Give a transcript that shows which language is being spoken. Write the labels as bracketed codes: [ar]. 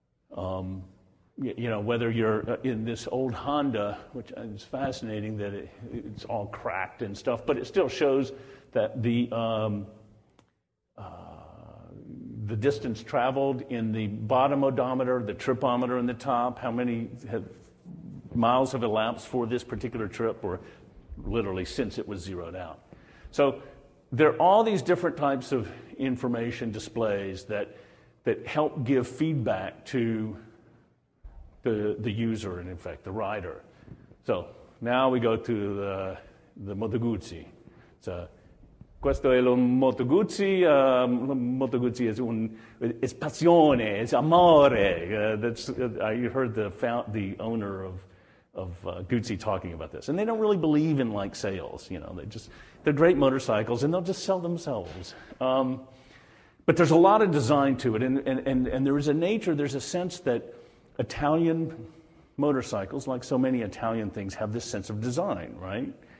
[en] Whether you're in this old Honda, which is fascinating that it's all cracked and stuff, but it still shows that the distance traveled in the bottom odometer, the tripometer in the top, how many miles have elapsed for this particular trip, or literally since it was zeroed out. So there are all these different types of information displays that help give feedback to the user and, in fact, the rider. So now we go to the Moto Guzzi. [it] So questo è lo Moto Guzzi. Moto Guzzi è passione, è amore. [en] I heard the owner of Guzzi talking about this. And they don't really believe in, like, sales. You know, they're great motorcycles, and they'll just sell themselves. But there's a lot of design to it, and there is a nature, there's a sense that Italian motorcycles, like so many Italian things, have this sense of design, right?